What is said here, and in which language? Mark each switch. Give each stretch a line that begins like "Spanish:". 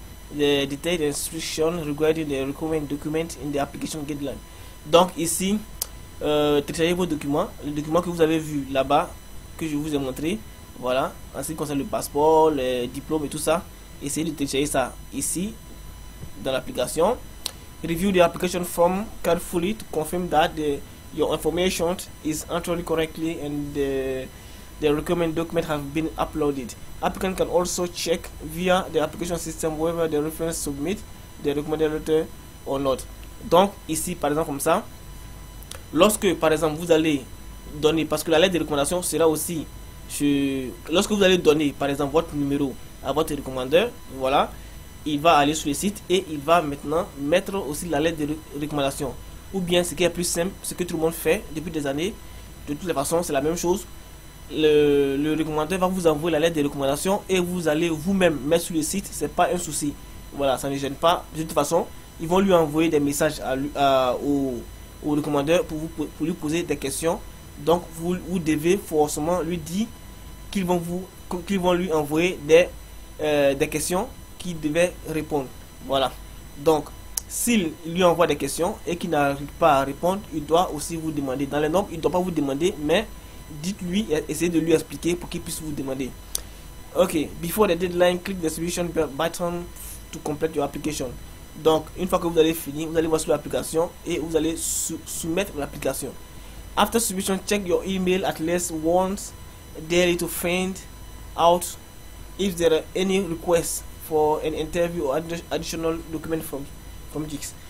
English: the detailed instruction regarding the requirement document in the application guideline.
French: Donc ici, téléchargez vos documents, le document que vous avez vu là-bas, que je vous ai montré, voilà, en ce qui concerne le passeport, le diplôme et tout ça, essayez de télécharger ça ici, dans l'application.
English: Review the application form carefully to confirm that your information is entered correctly and the requirement document have been uploaded. Applicant can also check via the application system whether the reference submit the recommended letter or not.
French: Donc ici par exemple comme ça, lorsque par exemple vous allez donner, parce que la lettre de recommandation sera aussi sur, lorsque vous allez donner par exemple votre numéro à votre recommandeur, voilà, il va aller sur le site et il va maintenant mettre aussi la lettre de recommandation. Ou bien ce qui est plus simple, ce que tout le monde fait depuis des années, de toutes les façons c'est la même chose, le recommandeur va vous envoyer la lettre de recommandation et vous allez vous-même mettre sur le site, c'est pas un souci, voilà, ça ne gêne pas. De toute façon ils vont lui envoyer des messages au recommandeur pour vous, pour lui poser des questions. Donc vous devez forcément lui dire qu'ils vont lui envoyer des questions qu'il devait répondre, voilà. Donc s'il lui envoie des questions et qu'il n'arrive pas à répondre, il doit aussi vous demander. Dans les normes, il ne doit pas vous demander, mais dites-lui, essayez de lui expliquer pour qu'il puisse vous demander.
English: Ok, before the deadline, click the submission button to complete your application.
French: Donc, une fois que vous allez finir, vous allez voir sur l'application et vous allez soumettre l'application.
English: After submission, check your email at least once daily to find out if there are any requests for an interview or additional document from Jix.